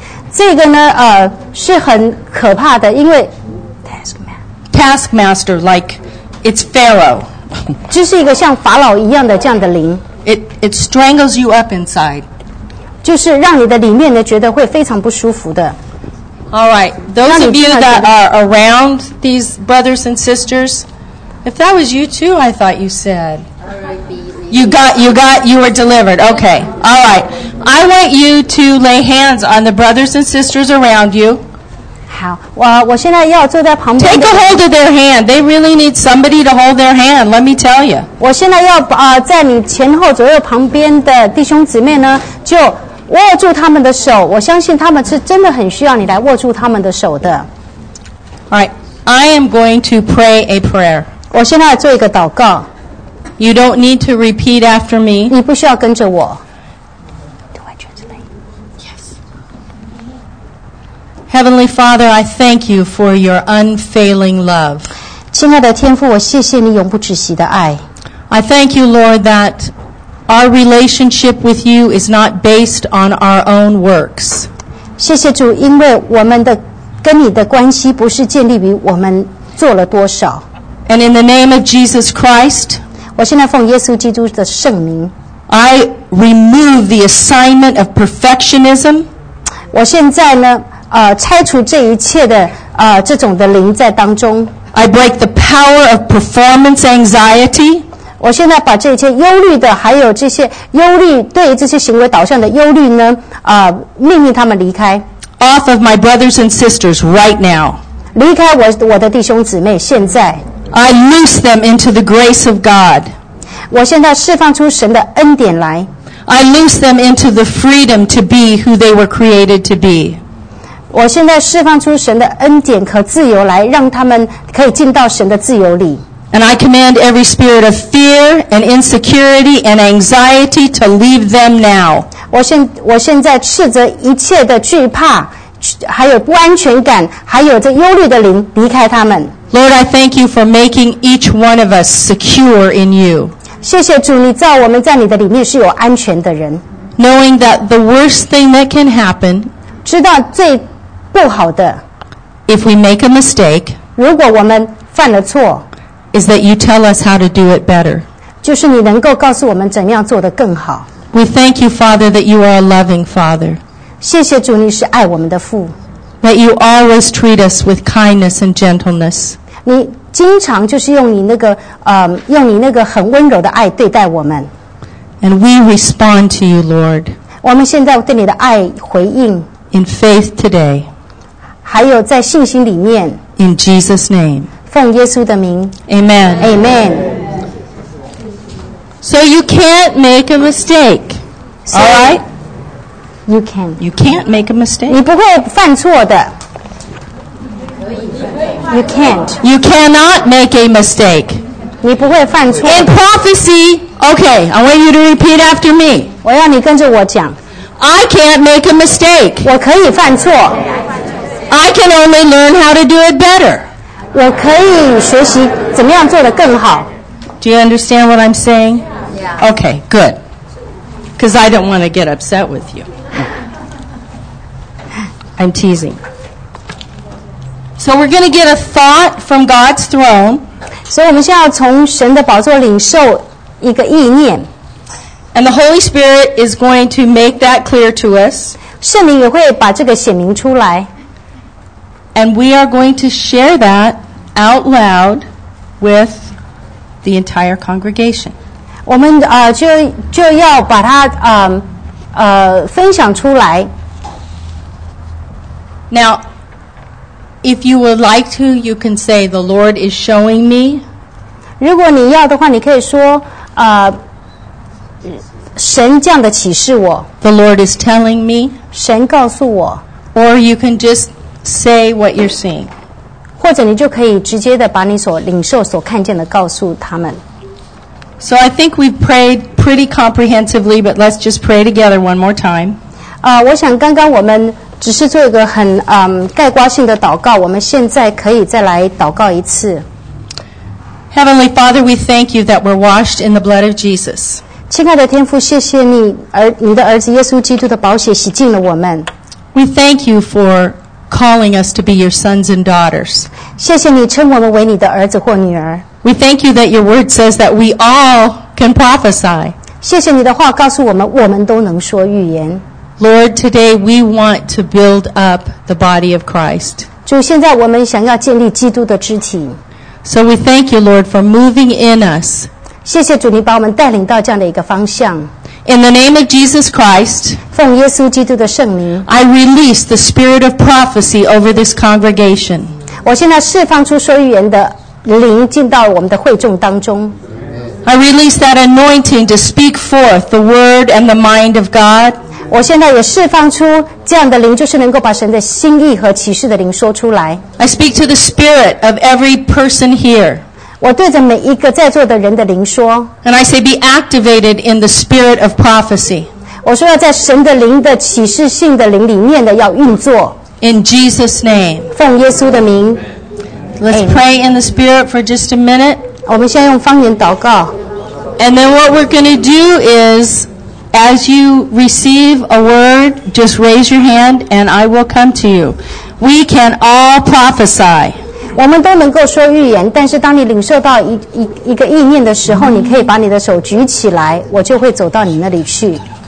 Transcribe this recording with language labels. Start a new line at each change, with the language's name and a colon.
Chinese: 这个呢，是很可怕的，因为
English: taskmaster like it's Pharaoh.
Chinese: 就是一个像法老一样的这样的灵。
English: It strangles you up inside.
Chinese: 就是让你的里面呢觉得会非常不舒服的。
English: All right, those of you that are around these brothers and sisters, if that was you too, I thought you said. You were delivered. Okay, all right. I want you to lay hands on the brothers and sisters around you.
Chinese: 好，我现在要坐在旁边。
English: Take a hold of their hand. They really need somebody to hold their hand, let me tell you.
Chinese: 我现在要在你前后左右旁边的弟兄姊妹呢，就握住他们的手，我相信他们是真的很需要你来握住他们的手的。
English: All right, I am going to pray a prayer.
Chinese: 我现在做一个祷告。
English: You don't need to repeat after me.
Chinese: 你不需要跟着我。
English: Yes. Heavenly Father, I thank you for your unfailing love.
Chinese: 亲爱的天父，我谢谢你永不止息的爱。
English: I thank you, Lord, that our relationship with you is not based on our own works.
Chinese: 谢谢主，因为我们的跟你的关系不是建立于我们做了多少。
English: And in the name of Jesus Christ,
Chinese: 我现在奉耶稣基督的圣名，
English: I remove the assignment of perfectionism.
Chinese: 我现在呢，拆除这一切的这种的灵在当中。
English: I break the power of performance anxiety.
Chinese: 我现在把这些忧虑的，还有这些忧虑对于这些行为导向的忧虑呢，命令他们离开。
English: Off of my brothers and sisters right now.
Chinese: 离开我的弟兄姊妹，现在。
English: I loose them into the grace of God.
Chinese: 我现在释放出神的恩典来。
English: I loose them into the freedom to be who they were created to be.
Chinese: 我现在释放出神的恩典和自由来，让他们可以进到神的自由里。
English: And I command every spirit of fear and insecurity and anxiety to leave them now.
Chinese: 我现在斥责一切的惧怕，还有不安全感，还有这忧虑的灵离开他们。
English: Lord, I thank you for making each one of us secure in you.
Chinese: 谢谢主，你造我们在你的里面是有安全的人。
English: Knowing that the worst thing that can happen,
Chinese: 知道最不好的，
English: if we make a mistake,
Chinese: 如果我们犯了错。
English: Is that you tell us how to do it better.
Chinese: 就是你能够告诉我们怎样做得更好。
English: We thank you, Father, that you are a loving Father.
Chinese: 谢谢主，你是爱我们的父。
English: That you always treat us with kindness and gentleness.
Chinese: 你经常就是用你那个用你那个很温柔的爱对待我们。
English: And we respond to you, Lord.
Chinese: 我们现在对你的爱回应。
English: In faith today.
Chinese: 还有在信心里面。
English: In Jesus' name.
Chinese: 奉耶稣的名
English: Amen. Amen. So you can't make a mistake. So, all right? You can. You can't make a mistake.
Chinese: 你不会犯错的
English: You can't. You cannot make a mistake.
Chinese: 你不会犯错
English: In prophecy, okay, I want you to repeat after me.
Chinese: 我要你跟着我讲
English: I can't make a mistake.
Chinese: 我可以犯错
English: I can only learn how to do it better.
Chinese: 我可以学习怎么样做得更好。
English: Do you understand what I'm saying? Yeah. Okay, good. Because I don't want to get upset with you. I'm teasing. So we're going to get a thought from God's throne.
Chinese: 所以我们现在要从神的宝座领受一个意念。
English: And the Holy Spirit is going to make that clear to us.
Chinese: 圣灵也会把这个显明出来。
English: And we are going to share that out loud with the entire congregation.
Chinese: 我们就要把它分享出来。
English: Now, if you would like to, you can say, "The Lord is showing me."
Chinese: 如果你要的话，你可以说神这样的启示我。
English: The Lord is telling me.
Chinese: 神告诉我。
English: Or you can just. Say what you're seeing.
Chinese: 或者你就可以直接的把你所领受所看见的告诉他们。
English: So I think we've prayed pretty comprehensively, but let's just pray together one more time.
Chinese: 我想刚刚我们只是做一个很概括性的祷告，我们现在可以再来祷告一次。
English: Heavenly Father, we thank you that we're washed in the blood of Jesus.
Chinese: 亲爱的天父，谢谢你，你的儿子耶稣基督的宝血洗净了我们。
English: We thank you for. Calling us to be your sons and daughters.
Chinese: 谢谢你称我们为你的儿子或女儿。
English: We thank you that your word says that we all can prophesy.
Chinese: 谢谢你的话告诉我们，我们都能说预言。
English: Lord, today we want to build up the body of Christ.
Chinese: 主，现在我们想要建立基督的肢体。
English: So we thank you, Lord, for moving in us.
Chinese: 谢谢主，你把我们带领到这样的一个方向。
English: In the name of Jesus Christ,
Chinese: 奉耶稣基督的圣名,
English: I release the spirit of prophecy over this congregation.
Chinese: 我现在释放出说预言的灵进到我们的会众当中。
English: I release that anointing to speak forth the word and the mind of God.
Chinese: 我现在也释放出这样的灵，就是能够把神的心意和启示的灵说出来。
English: I speak to the spirit of every person here.
Chinese: 我对着每一个在座的人的灵说
English: And I say be activated in the spirit of prophecy
Chinese: 我说要在神的灵的启示性的灵里面的要运作
English: In Jesus' name
Chinese: 奉耶稣的名
English: Let's pray in the spirit for just a minute
Chinese: 我们先用方言祷告
English: And then what we're going to do is As you receive a word Just raise your hand and I will come to you We can all prophesy
Chinese: 我们都能够说预言，但是当你领受到一个意念的时候，你可以把你的手举起来，我就会走到你那里去。